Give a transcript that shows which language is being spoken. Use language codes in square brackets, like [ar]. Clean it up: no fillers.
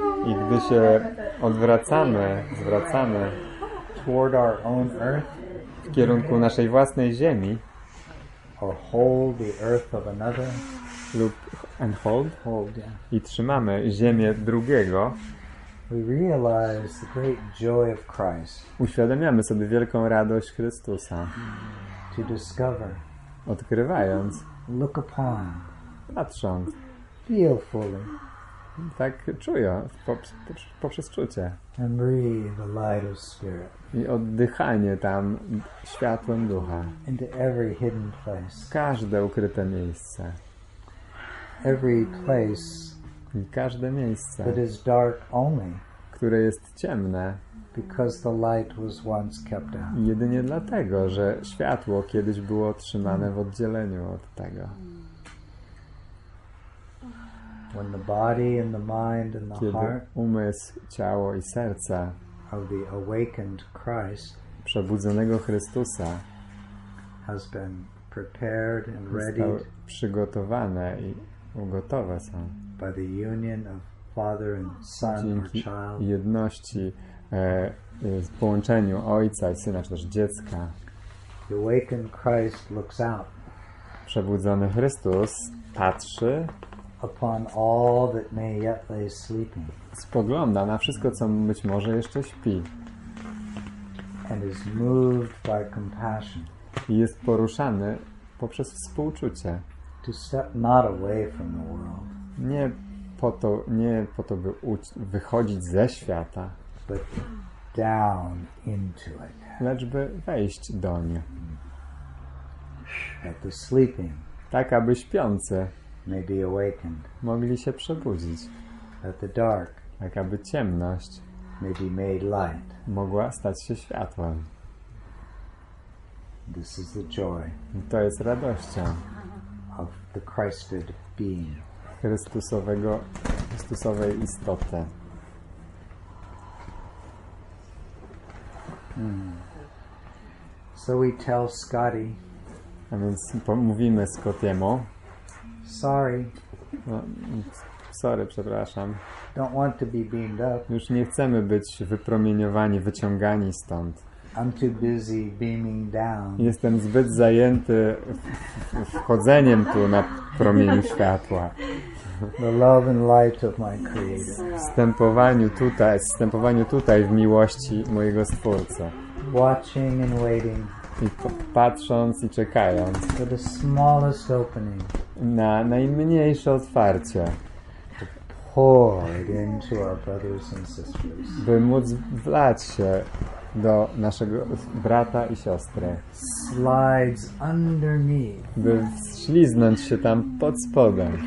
[pl] i gdy się odwracamy, zwracamy [en] toward our own earth, [pl] w kierunku naszej własnej ziemi, [en] or hold the earth of another, [pl] lub [en] and hold, hold yeah. [pl] i trzymamy ziemię drugiego, [en] we realize the great joy of Christ. [pl] Uświadamiamy sobie wielką radość Chrystusa, [en] to discover, [pl] odkrywając, [en] look upon, [pl] patrząc, [en] feel fully. [pl] Tak czuję, poprzez czucie. [en] And breathe the light of spirit. [pl] I oddychanie tam światłem ducha. [en] Into every hidden place. [pl] Każde ukryte miejsce. [en] Every place. [pl] I każde miejsce. [en] That is dark only. [pl] Które jest ciemne. [en] Because the light was once kept out. [pl] Jedynie dlatego, że światło kiedyś było trzymane w oddzieleniu od tego. [en] When the body and the mind and the [pl] kiedy [en] heart [pl] umysł, ciało i serce [en] of the awakened Christ [pl] przebudzonego Chrystusa [en] has been prepared and ready [pl] przygotowane i ugotowe są [en] by the union of father and son or child [pl] jedności w połączeniu ojca i syna czy też dziecka [en] the awakened Christ looks out [pl] przebudzony Chrystus patrzy [en] upon all that may yet lay sleeping. [pl] Spogląda na wszystko, co być może jeszcze śpi. [en] And is moved by compassion. [pl] I jest poruszany poprzez współczucie. [en] To step not away from the world. [pl] Nie po to, by wychodzić ze świata. [en] But down into it. [pl] Lecz by wejść do nie. [en] At the sleeping. [pl] Tak, aby śpiący [en] may be awakened. [pl] Mogli się przebudzić. [en] That the dark, [pl] tak aby ciemność, [en] may be made light. [pl] Mogła stać się światłem. [en] This is the joy. [pl] I to jest radością. [en] Of the Christed being. [pl] Chrystusowej istoty. [en] So we tell Scotty. [pl] A więc mówimy Scottiemu. [en] Sorry. [pl] Sorry, przepraszam. [en] Don't want to be beamed up. [pl] Już nie chcemy być wypromieniowani, wyciągani stąd. [en] I'm too busy beaming down. [pl] Jestem zbyt zajęty wchodzeniem tu na promieniu światła. [en] The love and light of my creator. [pl] Wstępowaniu tutaj w miłości mojego Stwórcy. [en] Watching and waiting. [pl] I patrząc i czekając. [en] For the smallest opening. [pl] Na najmniejsze otwarcie. [en] Poured into our brothers and sisters. [pl] By móc wlać się do naszego brata i siostry. [en] Slides underneath. [pl] By wśliznąć się tam pod spodem.